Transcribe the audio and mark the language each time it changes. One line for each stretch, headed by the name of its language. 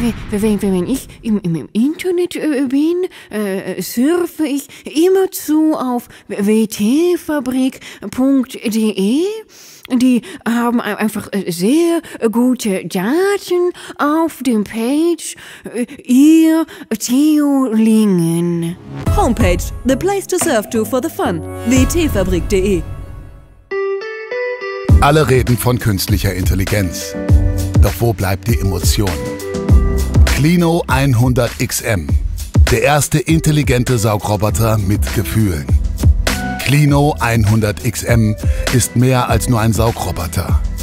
German: Wenn ich im Internet bin, surfe ich immerzu auf wtfabrik.de. Die haben einfach sehr gute Daten auf dem Page. Ihr Theolingen.
English: Homepage, the place to surf to for the fun.
German: wtfabrik.de. Alle reden von künstlicher Intelligenz. Doch wo bleibt die Emotion? Clino 100XM, der erste intelligente Saugroboter mit Gefühlen. Clino 100XM ist mehr als nur ein Saugroboter.